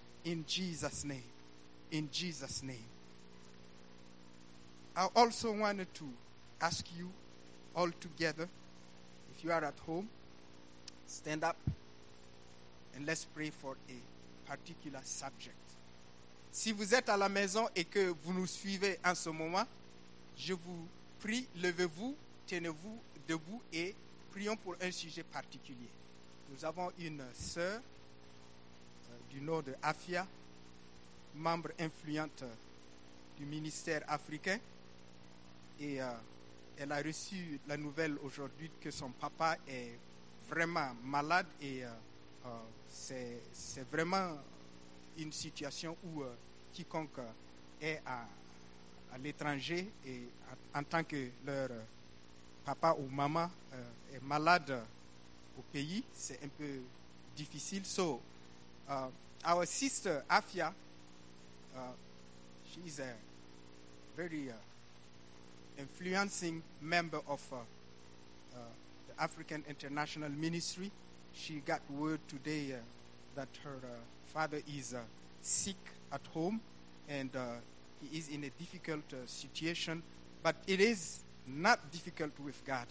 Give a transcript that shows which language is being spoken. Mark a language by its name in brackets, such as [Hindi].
[English] In Jesus' name. In Jesus' name. I also wanted to ask you all together, if you are at home, stand up and let's pray for a particular subject. [French] Si vous êtes à la maison et que vous nous suivez en ce moment, je vous prie, levez-vous, tenez-vous debout et prions pour un sujet particulier. Nous avons une sœur du nord de Afia, membre influente du ministère africain, et elle a reçu la nouvelle aujourd'hui que son papa est vraiment malade, et c'est vraiment une situation où quiconque est à l'étranger et en tant que leur papa ou maman est malade au pays, c'est un peu difficile. [English] So, our sister Afia, she is a very influencing member of the African International Ministry. She got word today that her father is sick at home, and he is in a difficult situation, but it is not difficult with God.